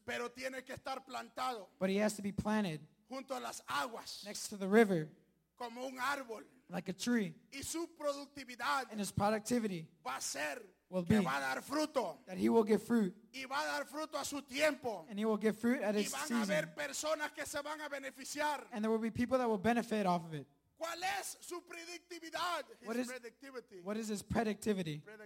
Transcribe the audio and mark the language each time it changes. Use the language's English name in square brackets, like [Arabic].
[Spanish] Pero tiene que estar plantado. [English] But he has to be planted. [Spanish] Junto a las aguas. [English] Next to the river. [Spanish] Como un árbol. [English] Like a tree. [Spanish] Y su productividad. [English] And his productivity. [Spanish] Va a ser. [English] Will be [Spanish] va a dar fruto. [English] That he will give fruit. [Spanish] Y va a dar fruto a su tiempo. [English] And he will give fruit at [Spanish] y van [English] his season. [Spanish] A haber personas que se van a beneficiar. [English] And there will be people that will benefit off of it. [Spanish] ¿Cuál es su predictividad? [English] What is his predictivity?